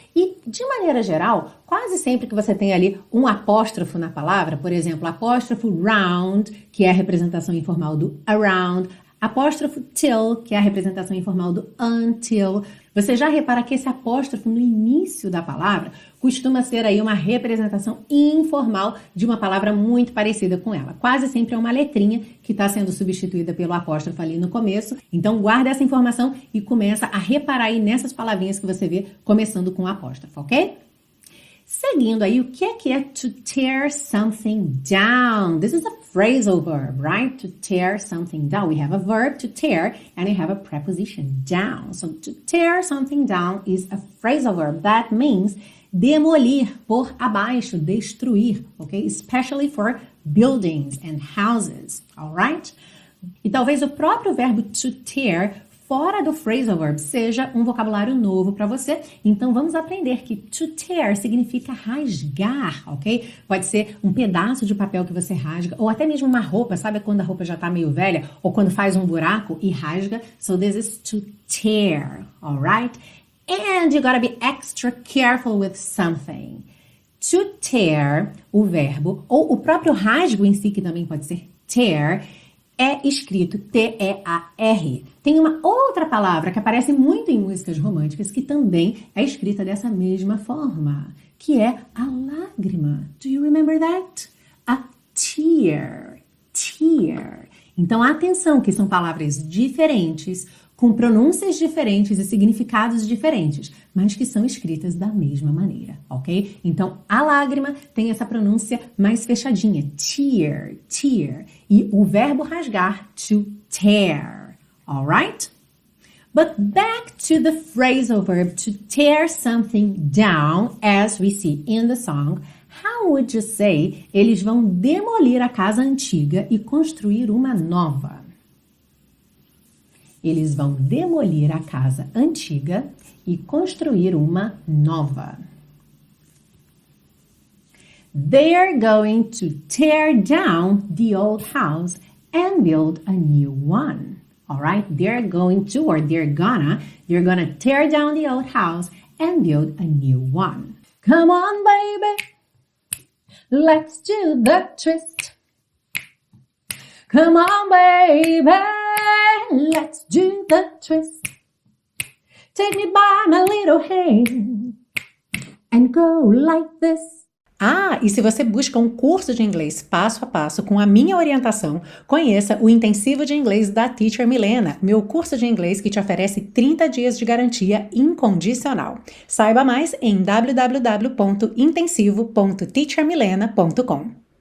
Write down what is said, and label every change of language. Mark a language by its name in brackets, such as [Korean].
[Portuguese] E, de maneira geral, quase sempre que você tem ali um apóstrofo na palavra, por exemplo, apóstrofo round, que é a representação informal do around, apóstrofo till, que é a representação informal do until, você já repara que esse apóstrofo no início da palavra costuma ser aí uma representação informal de uma palavra muito parecida com ela. Quase sempre é uma letrinha que está sendo substituída pelo apóstrofo ali no começo. Então, guarda essa informação e começa a reparar aí nessas palavrinhas que você vê começando com apóstrofo, ok? Seguindo aí, o que é [English] to tear something down? This is a phrasal verb, right? To tear something down. We have a verb to tear and we have a preposition down. So, to tear something down is a phrasal verb. That means [Portuguese] demolir, pôr abaixo, destruir, [English] okay? Especially for buildings and houses, all right? [Portuguese] E talvez o próprio verbo to tear fora do phrasal verb seja um vocabulário novo para você. Então, vamos aprender que to tear significa rasgar, ok? Pode ser um pedaço de papel que você rasga, ou até mesmo uma roupa, sabe quando a roupa já está meio velha? Ou quando faz um buraco e rasga? [English] So, this is to tear, alright? And you gotta be extra careful with something. [Portuguese] To tear, o verbo, ou o próprio rasgo em si, que também pode ser tear, é escrito T-E-A-R. Tem uma outra palavra que aparece muito em músicas românticas que também é escrita dessa mesma forma, que é a lágrima. [English] Do you remember that? A tear. Tear. [Portuguese] Então, atenção que são palavras diferentes, com pronúncias diferentes e significados diferentes, mas que são escritas da mesma maneira, ok? Então, a lágrima tem essa pronúncia mais fechadinha, tear, tear, e o verbo rasgar, to tear, alright? [English] But back to the phrasal verb, to tear something down, as we see in the song, how would you say [Portuguese] eles vão demolir a casa antiga e construir uma nova? Eles vão demolir a casa antiga e construir uma nova. [English] They're going to tear down the old house and build a new one. All right? They're going to, or they're gonna tear down the old house and build a new one. Come on, baby, let's do the twist. Come on, baby. Let's do the twist. Take me by my little hand and go like this. [Portuguese] Ah, e se você busca um curso de inglês passo a passo com a minha orientação, conheça o Intensivo de Inglês da Teacher Milena, meu curso de inglês que te oferece 30 dias de garantia incondicional. Saiba mais em www.intensivo.teachermilena.com.